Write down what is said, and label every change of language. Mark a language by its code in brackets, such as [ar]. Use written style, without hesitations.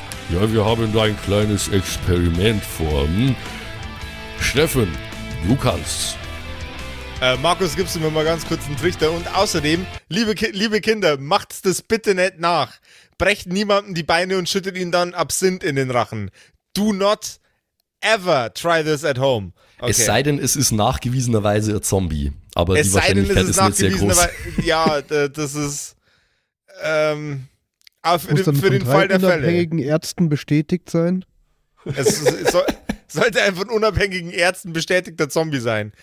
[de] Ja, wir haben da ein kleines Experiment vor. Steffen, du kannst's. Markus, gibst du mir mal ganz kurz einen Trichter. Und außerdem, liebe Kinder, macht's das bitte nicht nach. Brecht niemandem die Beine und schüttet ihn dann Absinth in den Rachen. [en] Do not ever try this at home. Okay. [de] Es sei denn, es ist nachgewiesenerweise ein Zombie. Aber es die Wahrscheinlichkeit denn, es ist nicht sehr groß. Ja, das ist für den Fall der Fälle. Von unabhängigen Ärzten bestätigt sein? Es sollte ein von unabhängigen Ärzten bestätigter Zombie sein.